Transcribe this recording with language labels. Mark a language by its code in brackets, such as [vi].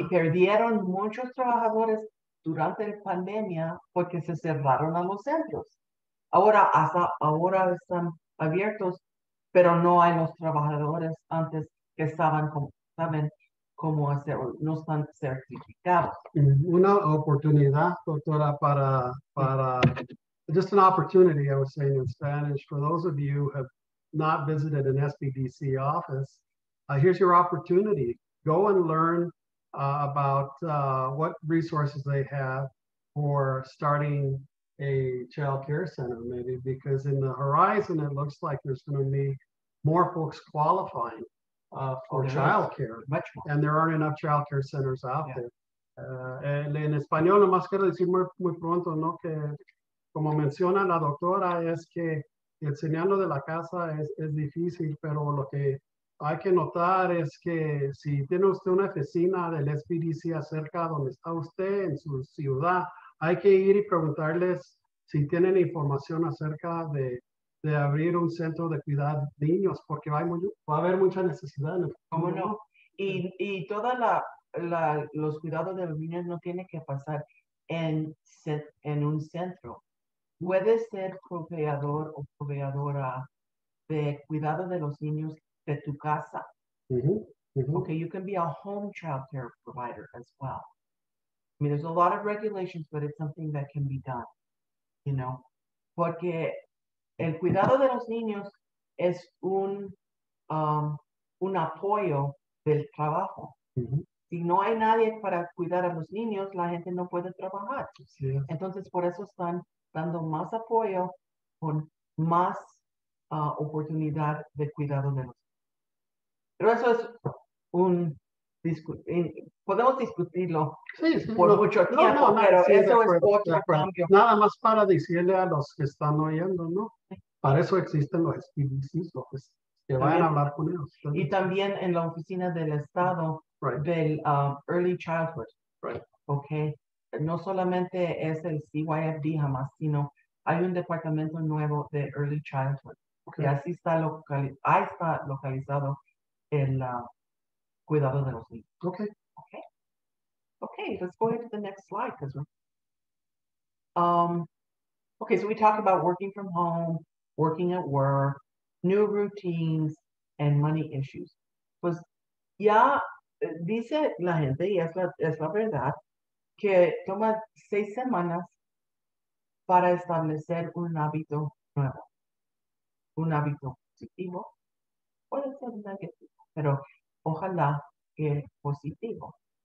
[es] Y perdieron muchos trabajadores durante la pandemia porque se cerraron a los centros. Ahora, hasta ahora están abiertos, pero no hay los trabajadores antes que estaban como, saben cómo hacerlo, no están certificados. Una oportunidad, doctora, para [en] just an opportunity, I was saying in Spanish, for those of you who have not visited an SBDC office, here's your opportunity. Go and learn about what resources they have for starting a child care center, maybe, because in the horizon, it looks like there's going to be more folks qualifying for child care. Much more. And there aren't enough child care centers out yeah. there. [es] En español, lo más quiero decir muy pronto, ¿no? Que, como menciona la doctora, es que enseñando de la casa es difícil, pero lo que hay que notar es que si tiene usted una oficina del SBDC cerca donde está usted en su ciudad, hay que ir y preguntarles si tienen información acerca de abrir un centro de cuidar niños, porque va a haber mucha necesidad. ¿Cómo no? Y toda los cuidados de los niños no tienen que pasar en un centro. Puede ser proveedor o proveedora de cuidado de los niños de tu casa. [en] Okay, you can be a home child care provider as well. I mean, there's a lot of regulations, but it's something that can be done, you know. [es] Porque el cuidado de los niños es un apoyo del trabajo. Si no hay nadie para cuidar a los niños, la gente no puede trabajar. Sí, yes. Entonces, por eso están dando más apoyo con más oportunidad de cuidado de los niños. Pero eso es un... podemos discutirlo mucho tiempo, pero sí, eso es otro cambio. Nada más para decirle a los que están oyendo, ¿no? Para eso existen los SBDCs, los que vayan a hablar con ellos. Y también en la oficina del Estado, [en] right. [es] Del Early Childhood. [en] Right. [es] Okay. No solamente es el CYFD jamás, sino hay un departamento nuevo de Early Childhood. [en] Okay. [es] Y así está ahí está localizado el cuidado de los niños. [en] Okay. Okay. Okay, let's go ahead to the next slide. Okay, so we talk about working from home, working at work, new routines, and money issues. [es] Pues ya dice la gente, y es la verdad, que toma 6 semanas para establecer un hábito nuevo. Un hábito positivo. Puede ser negativo, pero ojalá que positivo.